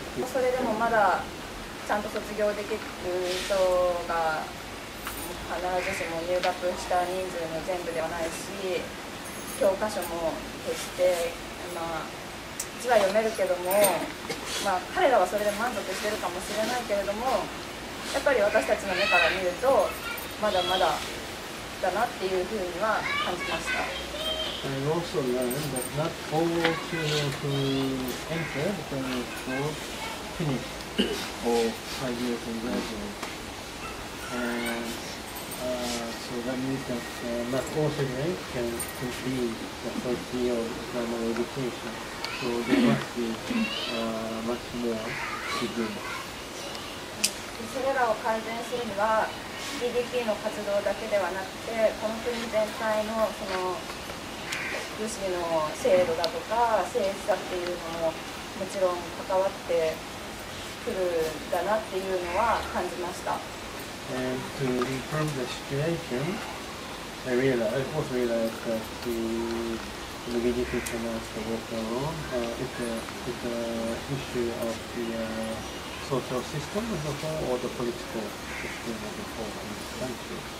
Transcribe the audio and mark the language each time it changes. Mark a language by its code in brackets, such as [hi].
[ja] それでもまだちゃんと卒業できる人が必ずしも入学した人数の全部ではないし、教科書も決して、まあ、字は読めるけども、まあ、彼らはそれで満足してるかもしれないけれども、やっぱり私たちの目から見るとまだまだだなっていうふうには感じました。 [en] I also learned that not all children who entered primary school finish all 5 years in Brazil. And so that means that not all students can complete the first year of primary education. So there must be much more to do. [ja] それらを改善するには BDP の活動だけではなくてこの国全体のその福祉の制度だとか政治だっていうのももちろん関わってくるんだなっていうのは感じました。 [en] And to improve the situation, I realized, also realized that the BDP cannot work alone. It's an issue of the social system as a whole, or the political system as a whole in this country.